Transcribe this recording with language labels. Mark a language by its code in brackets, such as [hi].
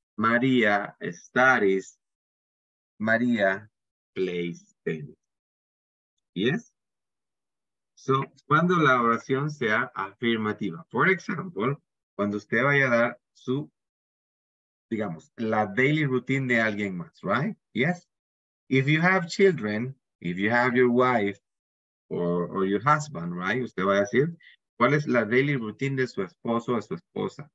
[en] Maria studies. Maria plays tennis. Yes? [es] So, cuando la oración sea afirmativa. [en] For example, [es] cuando usted vaya a dar su, digamos, la [en] daily routine [es] de alguien más, [en] right? Yes? If you have children, if you have your wife or your husband, right? [es] Usted va a decir, ¿cuál es la [en] daily routine [es] de su esposo o su esposa?